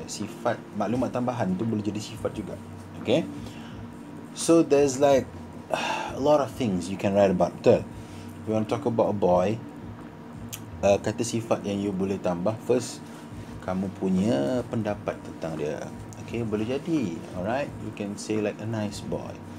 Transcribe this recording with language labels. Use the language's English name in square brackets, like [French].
[Malay] Sifat, maklumat tambahan tu boleh jadi sifat juga, okay. [English] So there's like a lot of things you can write about. [Malay] Betul? [English] We want to talk about a boy. [Malay] Kata sifat yang you boleh tambah first. Kamu punya pendapat tentang dia. Okay, boleh jadi. [English] Alright, you can say like a nice boy.